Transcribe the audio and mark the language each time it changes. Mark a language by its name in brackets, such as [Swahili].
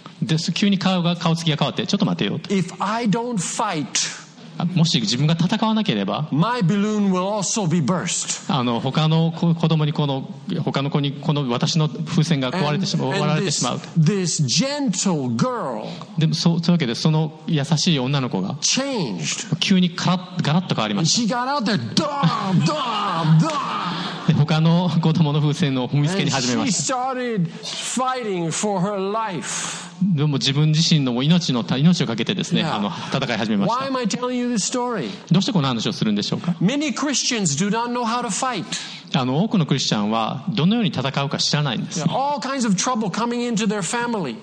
[Japanese] で、急に顔つきが変わって、ちょっと待てよと。 [English] If I don't fight, [Japanese] もし自分が戦わなければ、 [English] my balloon will also be burst. [Japanese] 他の子供にこの、他の子にこの私の風船が壊れてしまう、割られてしまう。 [English] This gentle girl, [Japanese] でもそういうわけで、その優しい女の子が、 [English] changed. [Japanese] 急にガラッと変わりました。 [English] She got out there, dum, dum, dum. [Japanese] 他の子供の風船を踏みつけに始めました。 [English] She started fighting for her life. [Japanese] でも自分自身の命をかけてですね、yeah. 戦い始めました。 [English] Why am I telling you this story? [Japanese] どうしてこの話をするんでしょうか。 [English] Many Christians do not know how to fight. [Japanese] 多くのクリスチャンはどのように戦うか知らないんです。 [English] yeah. All kinds of trouble coming into their family.